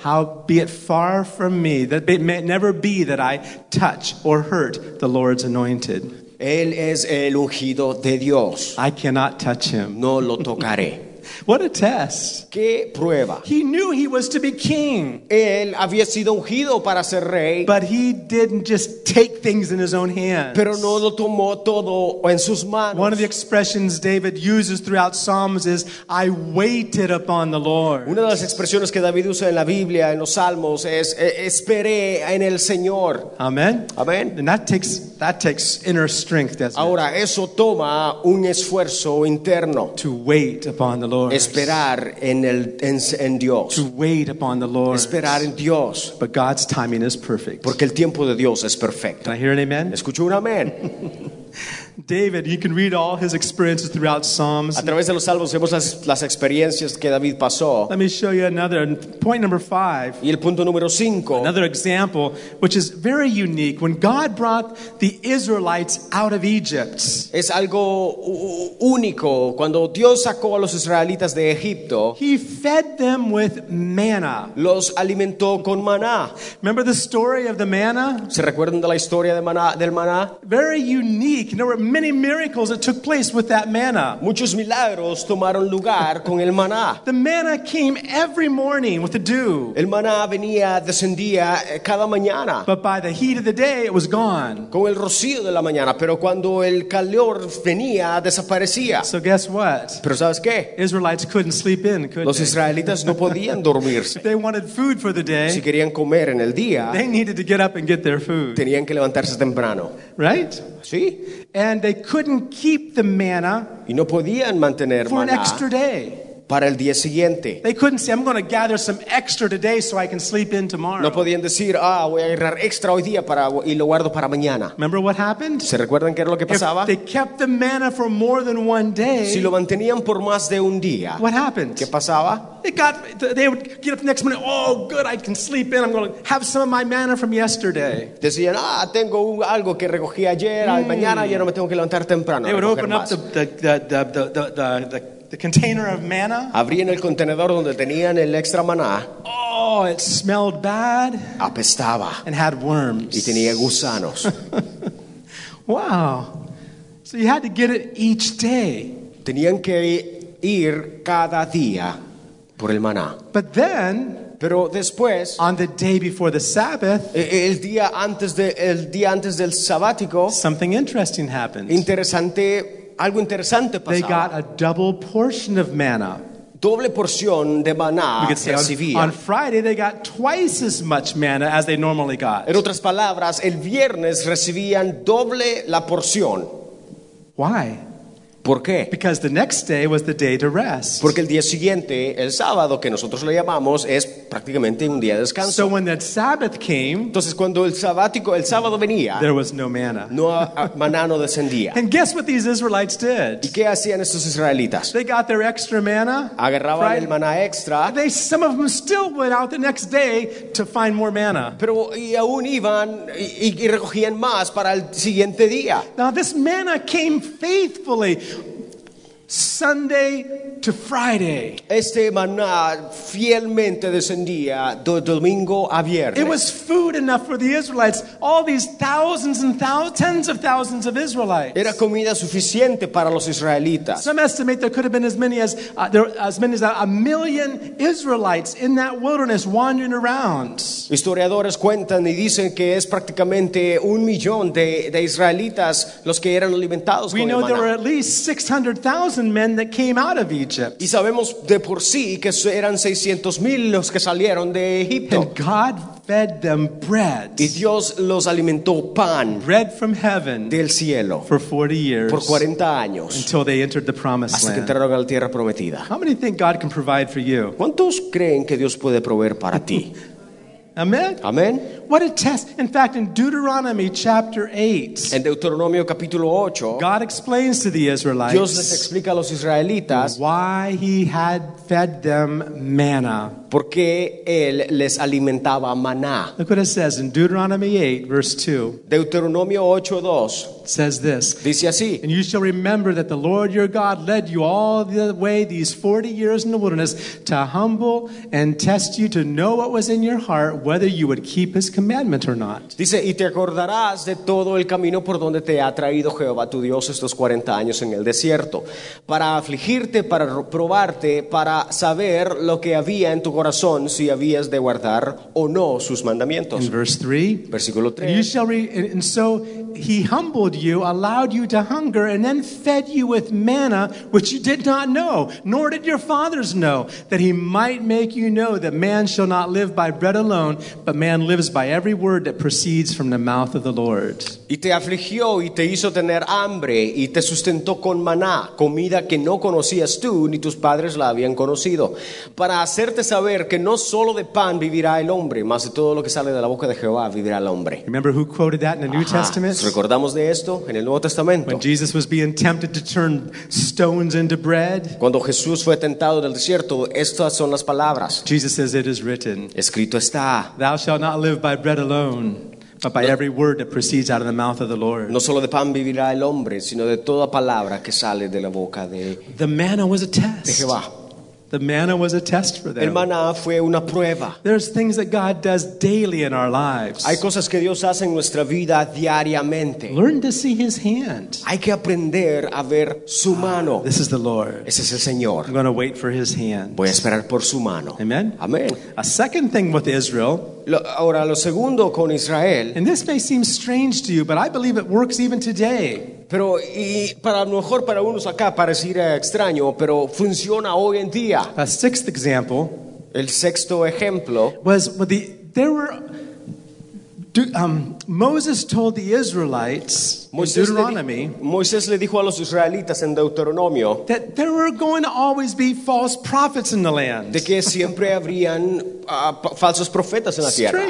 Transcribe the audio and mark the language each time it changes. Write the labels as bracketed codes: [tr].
[en] How be it far from me, that it may never be that I touch or hurt the Lord's anointed. [es] Él es el ungido de Dios. [en] I cannot touch him. [es] No lo tocaré. [en] What a test. [es] ¿Qué prueba? [en] He knew he was to be king. [es] Él había sido ungido para ser rey. [en] But he didn't just take things in his own hands. [es] Pero no lo tomó todo en sus manos. [en] One of the expressions David uses throughout Psalms is, I waited upon the Lord. [es] Una de las expresiones que David usa en la Biblia, en los Salmos, es, esperé en el Señor. [en] Amen. Amen. And that takes inner strength, doesn't it? [es] Ahora, eso toma un esfuerzo interno. [en] To wait upon the Lord. [es] Esperar en el en Dios. [en] To wait upon the Lord. [es] Esperar en Dios. [en] But God's timing is perfect. [es] Porque el tiempo de Dios es perfecto. [en] Can I hear an amen? [es] ¿Escucho un amén? [en] David, you can read all his experiences throughout Psalms. [es] A través de los salmos vemos las experiencias que David pasó. [en] Let me show you another point number 5. [es] Y el punto número 5. [en] Another example which is very unique when God brought the Israelites out of Egypt. [es] Es algo único cuando Dios sacó a los israelitas de Egipto. [en] He fed them with manna. [es] Los alimentó con maná. [en] Remember the story of the manna? [es] ¿Se recuerdan de la historia de maná, del maná? [en] Very unique. You know, many miracles that took place with that manna. [es] Muchos milagros tomaron lugar con el maná. [en] The manna came every morning with the dew. [es] El maná venía, descendía cada mañana. [en] But by the heat of the day, it was gone. [es] Con el rocío de la mañana, pero cuando el calor venía, desaparecía. [en] So guess what? [es] Pero ¿sabes qué? [en] Israelites couldn't sleep in, could they? [es] Los israelitas no podían dormirse. [en] They wanted food for the day. [es] Si querían comer en el día, [en] they needed to get up and get their food. [es] Tenían que levantarse temprano. [en] Right? [es] Sí. [en] And they couldn't keep the manna. [es] Y no podían mantener [en] maná. For an extra day. [es] Para el día siguiente. [en] They couldn't say, I'm going to gather some extra today so I can sleep in tomorrow. [es] No podían decir, ah, voy a agarrar extra hoy día para, y lo guardo para mañana. [en] Remember what happened? [es] ¿Se recuerdan qué era lo que pasaba? [en] If they kept the manna for more than one day. [es] Si lo mantenían por más de un día. [en] What happened? [es] ¿Qué pasaba? [en] They would get up the next morning, oh, good, I can sleep in. I'm going to have some of my manna from yesterday. [es] Decían, ah, tengo algo que recogí ayer, mañana ya no me tengo que levantar temprano. [en] They would open up the container of manna. [es] Abrían el contenedor donde tenían el extra maná. [en] Oh, it smelled bad. [es] Apestaba. [en] And had worms. [es] Y tenía gusanos. [en] Wow. So you had to get it each day. [es] Tenían que ir cada día por el maná. [en] But then, [es] pero después, [en] on the day before the Sabbath, [es] el día antes del sabático, [en] something interesting happened. [es] Interesante. Algo interesante pasaba. [en] They got a double portion of manna. [es] Doble porción de maná. [en] On Friday they got twice as much manna as they normally got. [es] En otras palabras, el viernes recibían doble la porción. [en] Why? [es] ¿Por qué? [en] Because the next day was the day to rest. [es] Porque el día siguiente, el sábado, que nosotros lo llamamos, es prácticamente un día de descanso. [en] So when that Sabbath came, [es] entonces cuando el sabático, el sábado venía, [en] there was no manna. [es] No, maná no descendía. [en] And guess what these Israelites did? [es] ¿Y qué hacían estos israelitas? [en] They got their extra manna. [es] Agarraban el maná extra. [en] They, some of them still went out the next day to find more manna. [es] Pero y aún iban y recogían más para el siguiente día. [en] Now this manna came faithfully. Sunday to Friday. [es] Este maná fielmente descendía de domingo a viernes. [en] It was food enough for the Israelites. All these thousands and thousands, tens of thousands of Israelites. [es] Era comida suficiente para los israelitas. [en] Some estimate there could have been as many as a million Israelites in that wilderness wandering around. [es] Historiadores cuentan y dicen que es prácticamente un millón de israelitas los que eran alimentados con el maná. [en] We know there were at least 600,000 men that came out of Egypt. [es] Y sabemos de por sí que eran 600,000 los que salieron de Egipto. [en] And God fed them bread. [es] Y Dios los alimentó pan. [en] Bread from heaven. [es] Del cielo. [en] For 40 years. [es] Por 40 años. [en] Until they entered the promised land. [es] Hasta que entraron a la tierra prometida. [en] How many think God can provide for you? [es] ¿Cuántos creen que Dios puede proveer para ti? [en] Amen. Amen. What a test. In fact, in Deuteronomy chapter 8, [es] en Deuteronomio capítulo 8, [en] God explains to the Israelites, [es] Dios les explica a los israelitas, [en] why he had fed them manna. [es] Porque él les alimentaba maná. [en] Look what it says in Deuteronomy 8, verse 2. [es] Deuteronomio 8, 2. [en] Says this. [es] Dice así. [en] And you shall remember that the Lord your God led you all the way these 40 years in the wilderness to humble and test you to know what was in your heart, whether you would keep his commandment or not. [es] Dice, y te acordarás de todo el camino por donde te ha traído Jehová tu Dios estos 40 años en el desierto, para afligirte, para probarte, para saber lo que había en tu corazón, si habías de guardar o no sus mandamientos. Versículo 3. [en] You allowed you to hunger and then fed you with manna which you did not know, nor did your fathers know, that he might make you know that man shall not live by bread alone, but man lives by every word that proceeds from the mouth of the Lord. [es] Y te afligió y te hizo tener hambre y te sustentó con maná, comida que no conocías tú ni tus padres la habían conocido, para hacerte saber que no solo de pan vivirá el hombre, mas de todo lo que sale de la boca de Jehová vivirá el hombre. [en] Remember who quoted that in the New Testament? [es] Recordamos de esto en el Nuevo Testamento. [en] When Jesus was being tempted to turn stones into bread. [es] Cuando Jesús fue tentado en el desierto, estas son las palabras. [en] Jesus says, it is written. [es] Escrito está. [en] Thou shalt not live by bread alone, but by every word that proceeds out of the mouth of the Lord. [es] No solo de pan vivirá el hombre, sino de toda palabra que sale de la boca de Jehová. [en] The manna was a test. [es] De Jehová. [en] The manna was a test for them. [es] El maná fue una prueba. [en] There's things that God does daily in our lives. [es] Hay cosas que Dios hace en nuestra vida diariamente. [en] Learn to see his hand. [es] Hay que aprender a ver su mano. [en] This is the Lord. [es] Ese es el Señor. [en] I'm going to wait for his hand. [es] Voy a esperar por su mano. [en] Amen. Amen. A second thing with Israel. [es] Ahora, lo segundo con Israel. [en] And this may seem strange to you, but I believe it works even today. [es] Pero y para lo mejor para unos acá pareciera extraño, pero funciona hoy en día. [en] A sixth example, [es] el sexto ejemplo, [en] was with the there were Moses told the Israelites [es] Moisés [en] in Deuteronomy [es] Moisés le dijo a los israelitas en Deuteronomio [en] that there were going to always be false prophets in the land. [es] De que siempre habrían falsos profetas en la tierra.